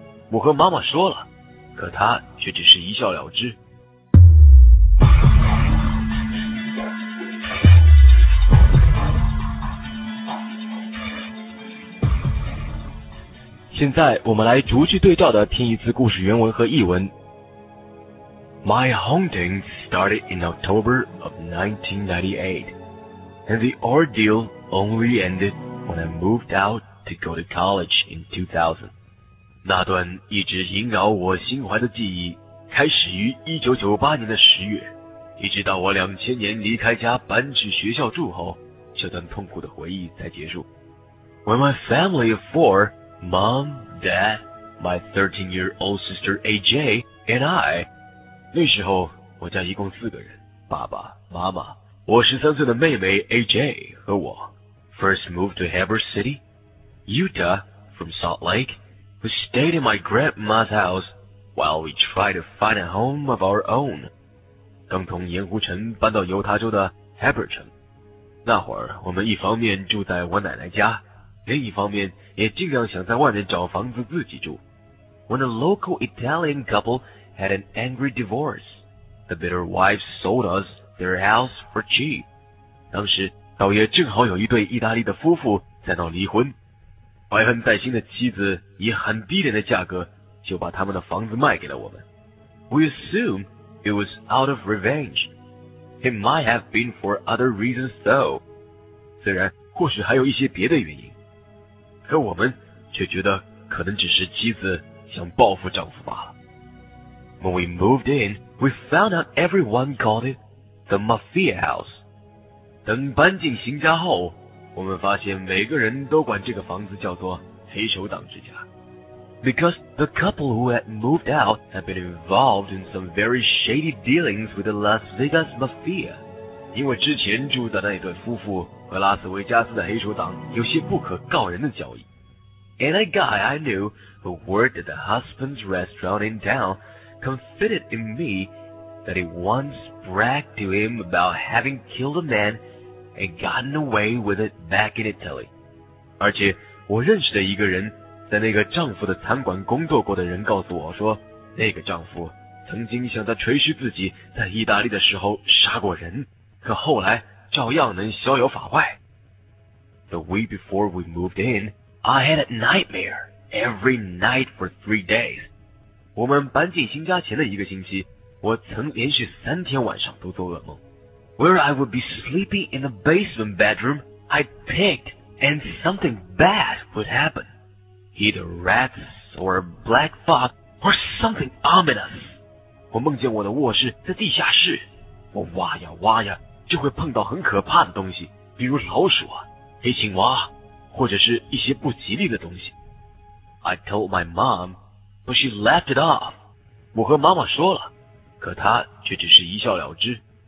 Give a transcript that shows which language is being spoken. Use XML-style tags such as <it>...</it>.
<zh>我和妈妈说了，可她却只是一笑了之。现在我们来逐句对照的听一次故事原文和译文。</zh> <en>My haunting started in October of 1998, and the ordeal only ended when I moved out to go to college in 2000.</en> <zh>那段一直萦绕我心怀的记忆，开始于1998年的10月，一直到我2000年离开家搬去学校住后，这段痛苦的回忆才结束。</zh> <en>When my family of four, mom, dad, my 13-year-old sister AJ, and I,</en> <zh>那时候我家一共四个人，爸爸妈妈，我13岁的妹妹 AJ 和我</zh> <en>first moved to Heber City, Utah from Salt Lake,We stayed in my grandma's house while we tried to find a home of our own.</en> <zh>刚从盐湖城搬到犹他州的 Heber 城。那会儿我们一方面住在我奶奶家，另一方面也尽量想在外面找房子自己住。</zh> <en>when a local Italian couple had an angry divorce. The bitter wife sold us their house for cheap.</en> <zh>当时道爷正好有一对意大利的夫妇在闹离婚，怀恨在心的妻子以很低廉的价格就把他们的房子卖给了我们。</zh> <en>We assume it was out of revenge. It might have been for other reasons though.</en> <zh>虽然或许还有一些别的原因，可我们却觉得可能只是妻子想报复丈夫罢了。</zh> <en>When we moved in, we found out everyone called it the Mafia House.</en> <zh>等搬进新家后，我们发现每个人都管这个房子叫做黑手党之家。</zh> <en>Because the couple who had moved out had been involved in some very shady dealings with the Las Vegas Mafia.</en> <zh>因为之前住的那对夫妇和拉斯维加斯的黑手党有些不可告人的交易。</zh> <en>And a guy I knew who worked at the husband's restaurant in town confided in me that he once bragged to him about having killed a man and gotten away with it back in Italy.</en> <zh>而且我认识的一个人在那个丈夫的餐馆工作过的人告诉我说，那个丈夫曾经向他吹嘘自己在意大利的时候杀过人，可后来照样能逍遥法外。</zh> <en>The week before we moved in, I had a nightmare every night for 3 days.</en> <zh>我们搬进新家前的一个星期，我曾连续三天晚上都做噩梦。</zh> <en>Where I would be sleeping in the basement bedroom, I'd picked and something bad would happen. Either rats or black fog or something ominous.</en> <zh>我梦见我的卧室在地下室，我挖呀挖呀就会碰到很可怕的东西，比如老鼠啊、黑青蛙，或者是一些不吉利的东西。</zh> <en>I told my mom, but she laughed it off.</en> <zh>我和妈妈说了，可她却只是一笑了之。</zh>